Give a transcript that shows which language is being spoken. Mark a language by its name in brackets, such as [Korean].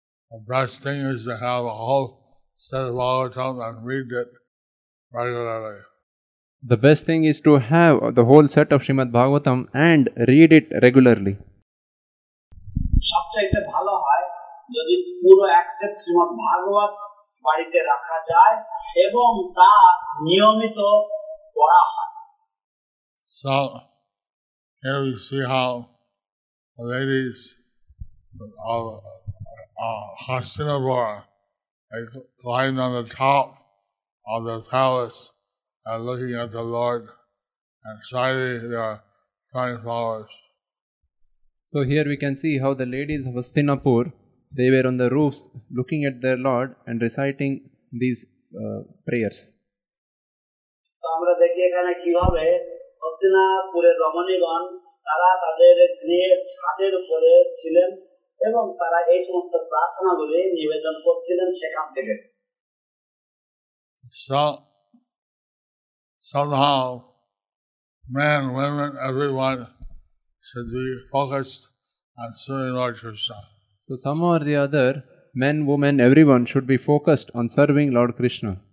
[English] The best thing is to have a whole set of Bhagavatam and read it regularly. The best thing is to have the whole set of Srimad Bhagavatam and read it regularly. [Bangla] সবচেয়ে ভালো হয় যদি পুরো এক set Shrimad ভাগবত বাড়িতে রাখা যায় এবং তা নিয়মিত পড়া হয়। [English] So, here we see how the ladies of Hastinapura, they climbed on the top of the palace and looking at the Lord and shining their fine flowers. So here we can see how the ladies of Hastinapur, they were on the roofs looking at their Lord and reciting these prayers. [Bangla] So amra dekhi ekhane kibhabe Hastinapure ramanigan তারা তাদের গৃহের ছাদের উপরে ছিলেন এবং তারা এই সমস্ত প্রার্থনাগুলি নিবেদন করছিলেন সেখান থেকে। [English] Somehow, men, women, everyone should be focused on serving Lord Krishna. So somehow or the other, men, women, everyone should be focused on serving Lord Krishna.